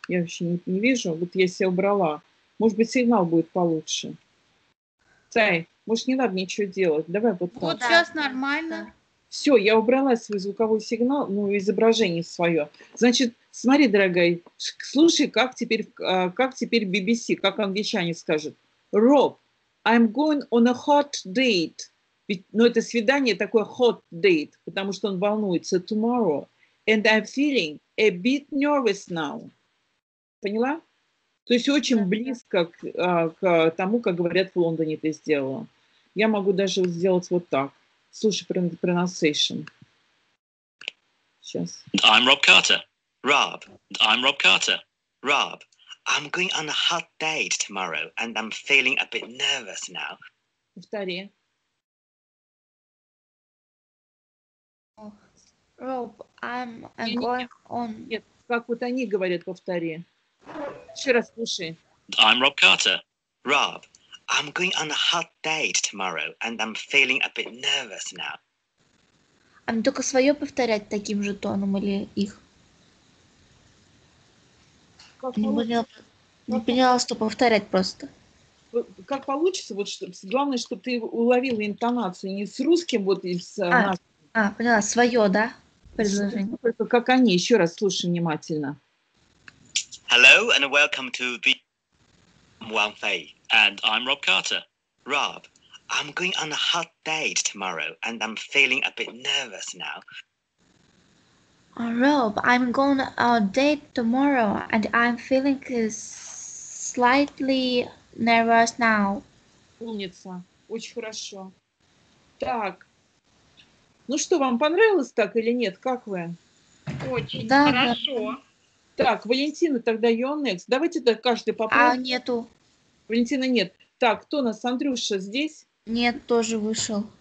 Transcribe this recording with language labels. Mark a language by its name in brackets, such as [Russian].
[Russian] Я вообще не вижу. Вот я себя убрала. Может быть, сигнал будет получше. Тай, может, не надо ничего делать. Давай вот так. Вот сейчас нормально. Все, я убрала свой звуковой сигнал, ну, изображение свое. Значит, смотри, дорогая, слушай, как теперь BBC, как англичане скажут. [English] Rob, I'm going on a hot date. [Russian] Ведь, ну, это свидание такое hot date, потому что он волнуется tomorrow. [English] And I'm feeling a bit nervous now. [Russian] Поняла? То есть очень близко к тому, как говорят в Лондоне, ты сделала. Я могу даже сделать вот так. Слушай, pronunciation. Сейчас. [English] I'm Rob Carter. Rob. I'm Rob Carter. Rob. I'm going on a hot date tomorrow, and I'm feeling a bit nervous now. [Russian] Повтори. [English] Rob, I'm going on... [Russian] Нет, как вот они говорят, повтори. Еще раз слушай. [English] I'm Rob Carter. Rob, I'm going on a hot date tomorrow, and I'm feeling a bit nervous now. [Russian] А мне только свое повторять таким же тоном или их? Не поняла, что повторять просто. Как получится, вот что, главное, чтобы ты уловила интонацию не с русским, вот из нашим. А, поняла, свое, да, предложение. Только как они, еще раз слушай внимательно. [English] Hello and welcome to the One Fei, and I'm Rob Carter. Rob, I'm going on a hot date tomorrow, and I'm feeling a bit nervous now. Rob, I'm going on a date tomorrow, and I'm feeling slightly nervous now. [Russian] Умница. Очень хорошо. Так. Ну что, вам понравилось так или нет? Как вы? Очень да, хорошо. Да. Так, Валентина, тогда you're next. Давайте каждый попробуем. А, нету. Валентина, нет. Так, кто у нас? Андрюша здесь? Нет, тоже вышел.